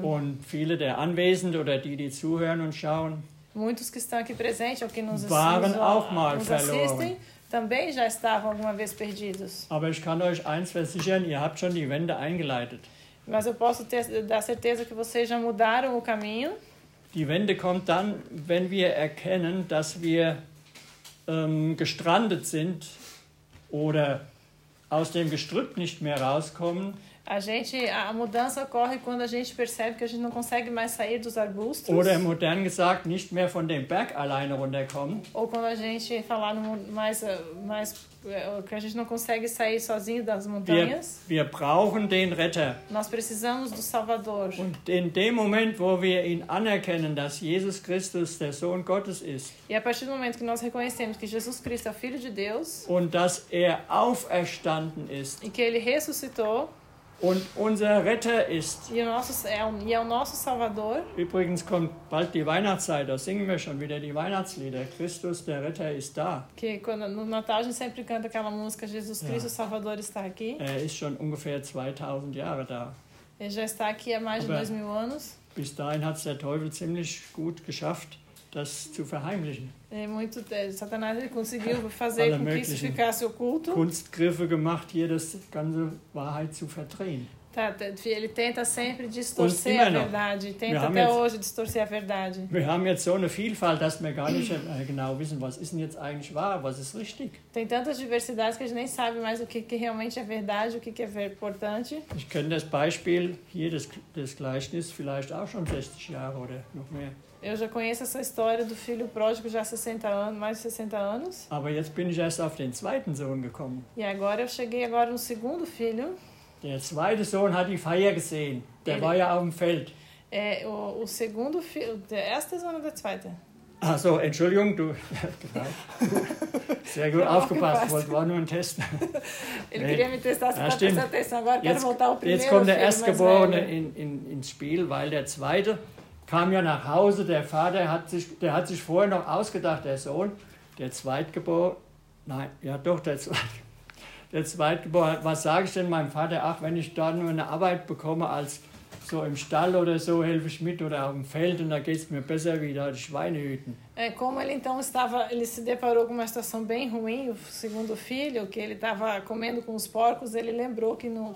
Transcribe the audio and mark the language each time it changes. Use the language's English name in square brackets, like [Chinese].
[German] Und viele der Anwesenden oder die zuhören und schauen, [Portuguese] muitos que estão aqui presentes, ou que nos [German] waren [Portuguese] assistem, [German] auch mal [Portuguese] nos [German] verloren. [Portuguese] Assistem, também já estavam alguma vez perdidos. [German] Aber ich kann euch eins versichern, ihr habt schon die Wende eingeleitet. [Portuguese] Mas eu posso dar certeza que vocês já mudaram o caminho. [German] Die Wende kommt dann, wenn wir erkennen, dass wir gestrandet sind oder aus dem Gestrüpp nicht mehr rauskommen. [Portuguese] A mudança ocorre quando a gente percebe que a gente não consegue mais sair dos arbustos. [German] Oder modern gesagt, nicht mehr von dem Berg alleine runterkommen. [Portuguese] Ou quando a gente falar no mundo mais que a gente não consegue sair sozinho das montanhas. [German] Wir brauchen den Retter. [Portuguese] Nós precisamos do Salvador. [German] Und in dem Moment, wo wir ihn anerkennen, dass Jesus Christus der Sohn Gottes ist. [Portuguese] E a partir do momento que nós reconhecemos que Jesus Cristo é o Filho de Deus. [German] Und dass er auferstanden ist. [Portuguese] E que ele ressuscitou. [German] Und unser Retter ist. [Portuguese] E o nosso Salvador. [German] Übrigens kommt bald die Weihnachtszeit, da singen wir schon wieder die Weihnachtslieder. Christus, der Retter, ist da. [Portuguese] Que quando no Natal a gente sempre canta aquela música Jesus Cristo, ja. Salvador está aqui. [German] Er ist schon ungefähr 2000 Jahre da. [Portuguese] Ele já está aqui há mais de 2000 anos. [German] Bis dahin hat's der Teufel ziemlich gut geschafft, das zu verheimlichen. [Portuguese] Satanás conseguiu fazer com que isso ficasse oculto. [German] Kunstgriffe gemacht, hier das ganze Wahrheit zu verdrehen. [Portuguese] Ele tenta sempre distorcer a verdade, tenta até hoje distorcer a verdade. [German] Wir haben jetzt so eine Vielfalt, dass wir gar nicht genau wissen, was ist denn jetzt eigentlich wahr, was ist richtig. [Portuguese] Tem tantas diversidades que a gente nem sabe mais o que que realmente é verdade, o que que é importante. [German] Ich kenne das Beispiel hier das Gleichnis vielleicht auch schon 60 Jahre oder noch mehr. [Portuguese] Eu já conheço essa história do filho pródigo já há 60 anos, mais de 60 anos. [German] Aber jetzt bin ich erst auf den zweiten Sohn gekommen. [Portuguese] E agora eu cheguei agora no segundo filho. [German] Der zweite Sohn hat die Feier gesehen. Der war ja auf dem Feld. [Portuguese] O segundo filho, [German] der erste Sohn oder der zweite? Ach so, Entschuldigung, du. Genau. Sehr gut aufgepasst, wollte war nur ein Test. [Portuguese] Ele queria me testar, se prestasse atenção. Agora [German] jetzt, [Portuguese] quero voltar ao primeiro. [German] Jetzt kommt der Erstgeborene ins Spiel, weil der zweite kam ja nach Hause, der Vater hat sich vorher noch ausgedacht, der Sohn, der Zweitgeborene, nein, ja doch, der Zweitgeborene, was sage ich denn meinem Vater, ach, wenn ich da nur eine Arbeit bekomme, als so im Stall oder so, helfe ich mit oder auf dem Feld und da geht es mir besser wie da die Schweinehüten. [Portuguese] Como ele então estava, ele se deparou com uma situação bem ruim, o segundo filho, que ele estava comendo com os porcos, ele lembrou que no,